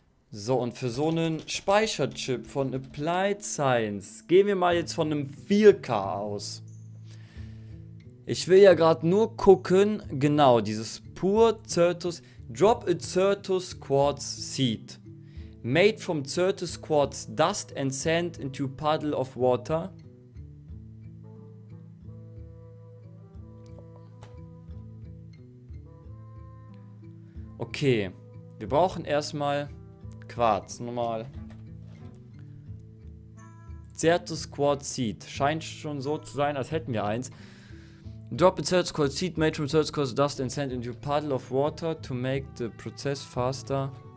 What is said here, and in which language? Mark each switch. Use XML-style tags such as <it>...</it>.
<de>So, und für so einen Speicherchip von Applied Science gehen wir mal jetzt von einem 4K aus. Ich will ja gerade nur gucken, genau, dieses Pure Certus...</de> <en>Drop a Certus Quartz Seed. Made from Certus Quartz Dust and Sand into Puddle of Water. Okay.</en> <de>Wir brauchen erstmal Quarz. Nochmal. Certus Quartz Seed. Scheint schon so zu sein, als hätten wir eins.</de> <en>Drop a Certus Quartz Seed made from Certus Quartz Dust and Sand into a puddle of water to make the process faster.</en>